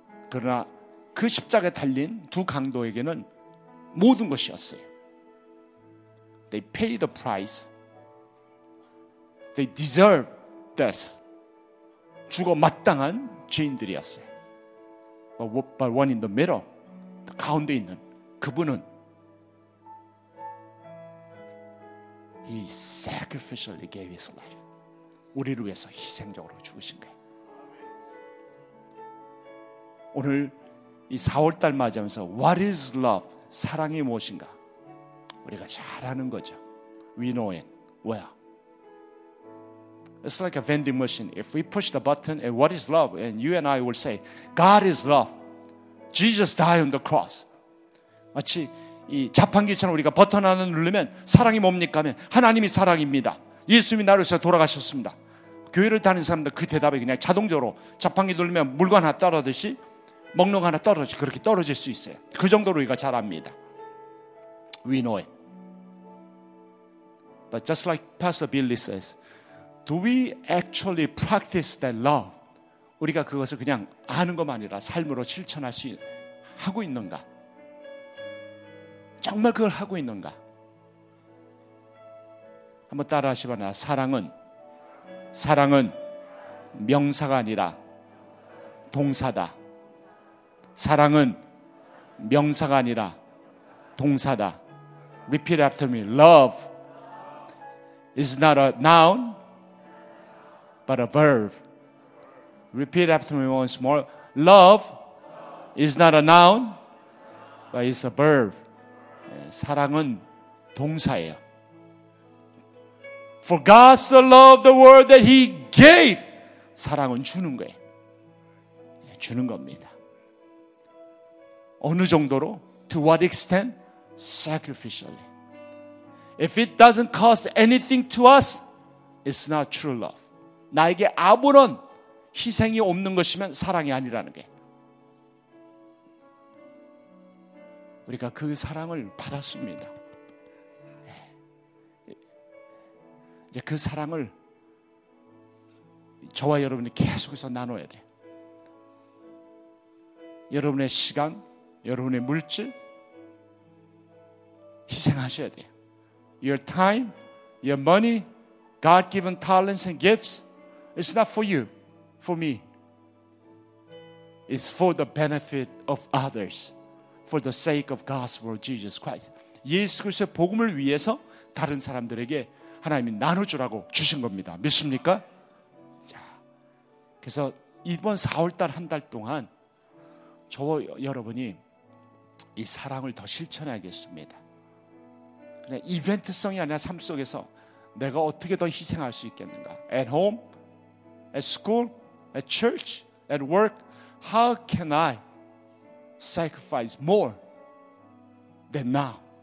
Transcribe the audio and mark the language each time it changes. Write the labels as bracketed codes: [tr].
[ko] 그러나 그 십자가에 달린 두 강도에게는 모든 것이었어요. [en] They paid the price. They deserve death. [ko] 죽어 마땅한 죄인들이었어요. [en] But one in the middle, [ko] 가운데 있는 그분은 [en] He sacrificially gave his life. [ko] 우리를 위해서 희생적으로 죽으신 거예요. 오늘 이 4월달 맞이하면서 [en] What is love? [ko] 사랑이 무엇인가? 우리가 잘 아는 거죠. [en] We know it. Where? It's like a vending machine. If we push the button, and what is love? And you and I will say, God is love. Jesus died on the cross. [ko] 마치 이 자판기처럼 우리가 버튼 하나 누르면 사랑이 뭡니까? 하면 하나님이 사랑입니다. 예수님이 나를 위해서 돌아가셨습니다. 교회를 다니는 사람들 그 대답이 그냥 자동적으로 자판기 누르면 물건 하나 떨어지듯이 먹는 거 하나 떨어지 그렇게 떨어질 수 있어요. 그 정도로 우리가 잘 압니다. [en] We know it. But just like Pastor Billy says, Do we actually practice that love? [ko] 우리가 그것을 그냥 아는 것만 아니라 삶으로 실천할 수 하고 있는가? 정말 그걸 하고 있는가? 한번 따라 하시거나 사랑은 명사가 아니라 동사다. 사랑은 명사가 아니라 동사다. [en] Repeat after me. Love is not a noun. But a verb. Repeat after me once more. Love is not a noun, but it's a verb. [ko] 사랑은 동사예요. [en] For God so loved the world that He gave. [ko] 사랑은 주는 거예요. 주는 겁니다. 어느 정도로? [en] To what extent? Sacrificially. If it doesn't cost anything to us, it's not true love. [ko] 나에게 아무런 희생이 없는 것이면 사랑이 아니라는 게 우리가 그 사랑을 받았습니다. 이제 그 사랑을 저와 여러분이 계속해서 나눠야 돼. 여러분의 시간, 여러분의 물질 희생하셔야 돼. [en] Your time, your money, God given talents and gifts. It's not for you, for me. It's for the benefit of others, for the sake of gospel of Jesus Christ. [ko] 예수 그리스도의 복음을 위해서 다른 사람들에게 하나님이 나눠주라고 주신 겁니다. 믿습니까? 자, 그래서 이번 4월달 한 달 동안 저와 여러분이 이 사랑을 더 실천해야겠습니다. 그냥 이벤트성이 아니라 삶 속에서 내가 어떻게 더 희생할 수 있겠는가? [en] At home. At school, at church, at work, how can I sacrifice more than now?